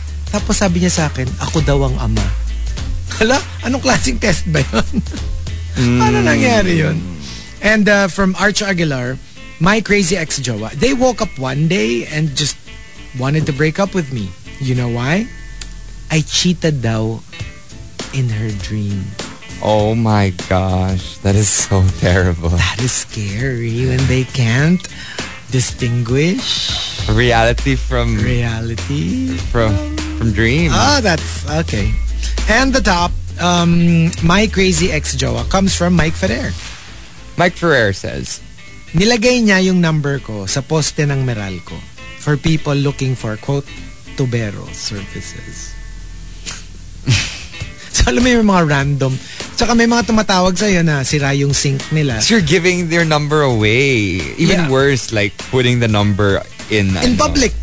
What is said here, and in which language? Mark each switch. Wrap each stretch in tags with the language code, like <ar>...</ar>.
<tl>Tapos sabi niya sa akin, ako daw ang ama. Hala, anong klaseng test ba yun? Ano nangyari yun?</tl> <en>And from Arch Aguilar, my crazy ex-jowa, they woke up one day and just wanted to break up with me. You know why? I cheated daw in her dream. Oh my gosh, that is so terrible. That is scary when they can't distinguish reality from... Reality? From dream. Oh, that's... Okay. And the top, my crazy ex-jowa comes from Mike Ferrer. Mike Ferrer says...</en> <tl>Nilagay niya yung number ko sa poste ng meral ko</tl> <en>for people looking for, quote,</en> <tl>tubero services. So, alam mo yung mga random. Tsaka may mga tumatawag sa'yo na sira yung sink nila.</tl> <en>So, you're giving their number away. Even yeah. Worse, like, putting the number in public.</en>